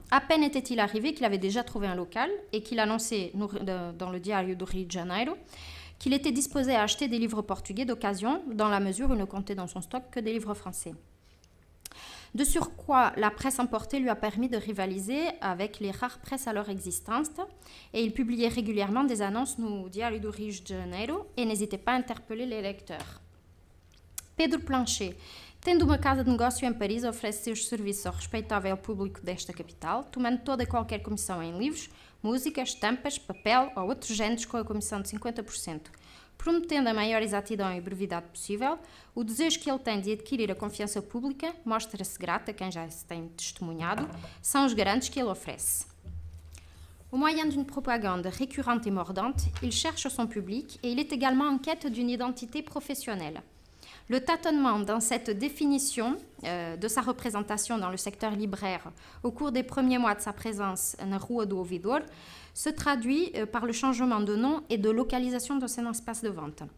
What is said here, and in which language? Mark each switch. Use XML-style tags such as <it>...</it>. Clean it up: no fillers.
<fr>À peine était-il arrivé qu'il avait déjà trouvé un local et qu'il annonçait dans le Diário do Rio de Janeiro qu'il était disposé à acheter des livres portugais d'occasion dans la mesure où il ne comptait dans son stock que des livres français. De surcroît, la presse emportée lui a permis de rivaliser avec les rares presses alors existantes et il publiait régulièrement des annonces no Diário do Rio de Janeiro et n'hésitait pas à interpeller les lecteurs.</fr> <pt>Pedro Plancher, tendo uma casa de negócio em Paris, oferece seus serviços ao respeitável público desta capital, tomando toda e qualquer comissão em livros, música, estampas, papel ou outros géneros com a comissão de 50%. Prometendo a maior exatidão e brevidade possível, o desejo que ele tem de adquirir a confiança pública, mostra-se grato a quem já se tem testemunhado, são os garantes que ele oferece.</pt> <fr>Au moyen d'une propagande récurrente et mordante, il cherche son public et il est également en quête d'une identité professionnelle. Le tâtonnement dans cette définition de sa représentation dans le secteur libraire au cours des premiers mois de sa présence en Ruodo Vidor se traduit par le changement de nom et de localisation de son espace de vente.</fr>